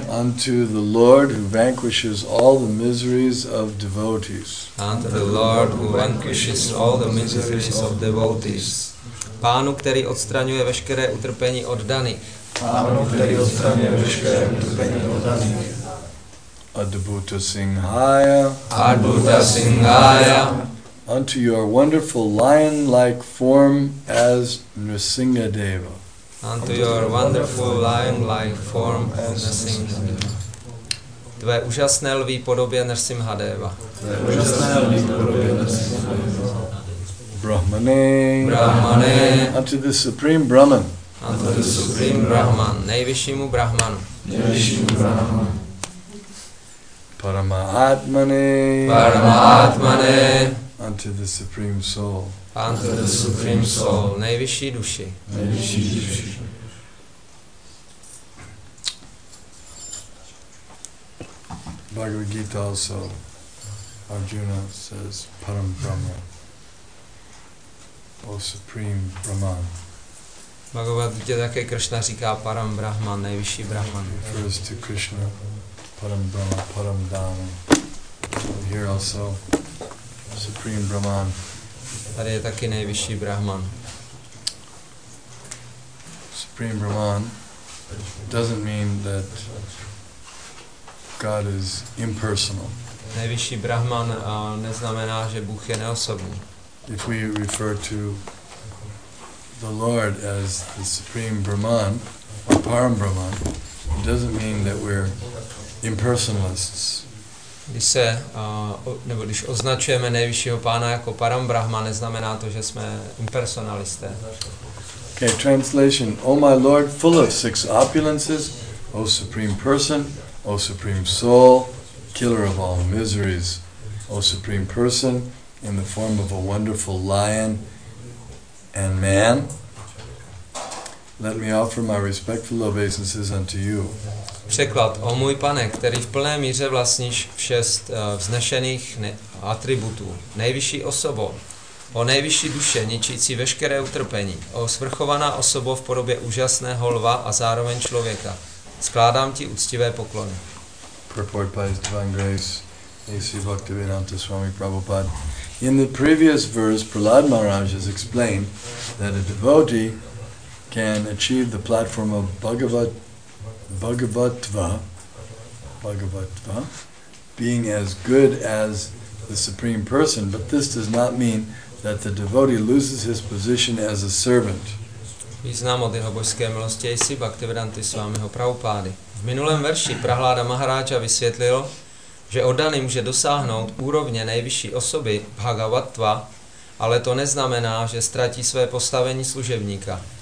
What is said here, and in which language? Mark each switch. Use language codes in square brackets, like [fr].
[en] Unto the Lord who vanquishes all the miseries of devotees. Unto the Lord who vanquishes all the miseries of devotees. [cs] Pánu, který odstraňuje veškeré utrpení oddaných. Pánu, který odstraňuje veškeré utrpení oddaných. [sa] Adbhuta Singhaya. Adbhuta Singhaya. [en] Unto your wonderful lion-like form as Nrsingadeva. Unto your wonderful lion-like form as Nrsingadeva. [cs] Tvé úžasné lví podobě Nrsimhadeva. Tvé úžasné lví podobě Nrsimhadeva. [sa] Brahmane. Brahmane. [en] Unto the Supreme Brahman. Unto the Supreme Brahman. [cs] Nejvyššímu Brahmanu. Nejvyššímu Brahmanu. [sa] Paramahatmane. Paramahatmane. [en] Unto the Supreme Soul. Unto the Supreme Soul. [cs] Nejvyšší duši. Nejvyšší duši. [en] Bhagavad Gita also, Arjuna says, Param Brahma. O Supreme Brahman. [cs] Bhagavad Gita také Krishna říká Param Brahman, nejvyšší Brahman. [en] Refers to Krishna, Param Brahma, Param Dhamma. Here also, Supreme Brahman. [cs] Tady je taky nejvyšší Brahman. [en] Supreme Brahman doesn't mean that God is impersonal. [cs] Nejvyšší Brahman neznamená, že Bůh je neosobný. [en] If we refer to the Lord as the Supreme Brahman or Param Brahman, it doesn't mean that we're impersonalists. [cs] Když se, nebo když označujeme nejvyššího pána jako Param Brahma, neznamená to, že jsme impersonalisté. [en] Okay, translation. O my Lord, full of six opulences, O Supreme Person, O Supreme Soul, killer of all miseries, O Supreme Person, in the form of a wonderful lion and man, let me offer my respectful obeisances unto you. [cs] Překlad. O můj Pane, který v plné míře vlastníš šest vznešených atributů, nejvyšší osobo, o nejvyšší duše, ničící veškeré utrpení, o svrchovaná osobo v podobě úžasného lva a zároveň člověka, skládám ti úctivé poklony. [en] Purport by His Divine Grace, A.C. Bhaktivedanta Swami Prabhupada. In the previous verse, Prahlad Maharaj has explained that a devotee can achieve the platform of Bhagavatva, being as good as the Supreme Person, but this does not mean that the devotee loses his position as a servant. [cs] Význam od jeho božské milosti A.C. Bhaktivedanta Swamiho Prabhupada. V minulém verši Prahláda Maharaja vysvětlil, že oddaný může dosáhnout úrovně nejvyšší osoby Bhagavatva, ale to neznamená, že ztratí své postavení služebníka.